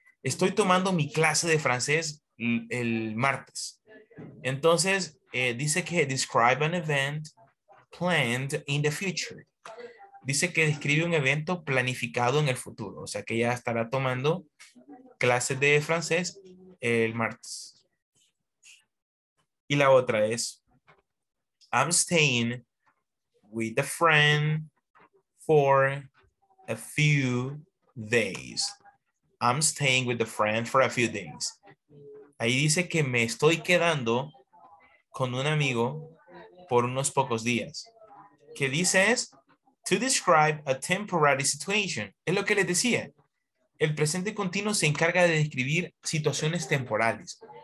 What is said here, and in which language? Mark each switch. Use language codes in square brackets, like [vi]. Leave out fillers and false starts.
[es] Estoy tomando mi clase de francés el martes. Entonces, dice que [en] describe an event planned in the future. [es] Dice que describe un evento planificado en el futuro. O sea, que ella estará tomando clases de francés el martes. Y la otra es, [en] I'm staying with a friend for a few days. I'm staying with a friend for a few days. [es] Ahí dice que me estoy quedando con un amigo por unos pocos días. Que dice es, [en] to describe a temporary situation. [es] Es lo que les decía. El presente continuo se encarga de describir situaciones temporales.